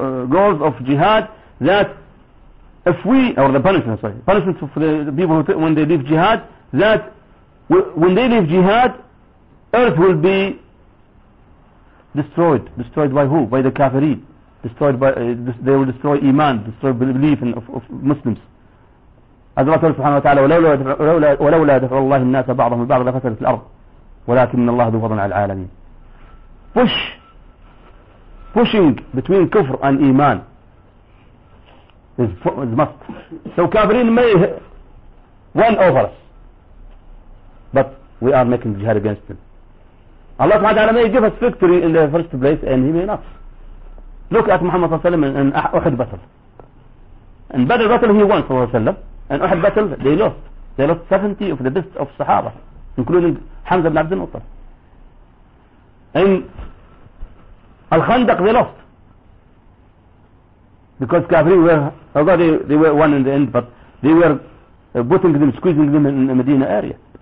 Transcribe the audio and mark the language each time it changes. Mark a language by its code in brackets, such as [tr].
[en] Goals of jihad, that if we, or the punishment, sorry, punishment for the people when they leave jihad, that when they leave jihad, earth will be destroyed. Destroyed by who? By the kafirin. Destroyed by, they will destroy iman, destroy belief of Muslims. [ar] عز وجل سبحانه وتعالى: ولولا دفع الله الناس بعضهم ببعض لفسدت الأرض ولكن الله ذو فضل على العالمين. [en] pushing between كفر and إيمان is must. So كافرين may win over us, but we are making jihad against them. Allah تعالى may give us victory in the first place and he may not. Look at محمد [ar] صلى الله عليه وسلم [en] in أحد بطل. In Badr battle he won [ar] صلى الله عليه وسلم. [en] In أحد battle they lost. They lost 70 of the best of Sahaba, including حمزة بن عبد المطلب. In الخندق they lost because كافرين were, although they were won in the end, but they were putting them, squeezing them in the Medina area.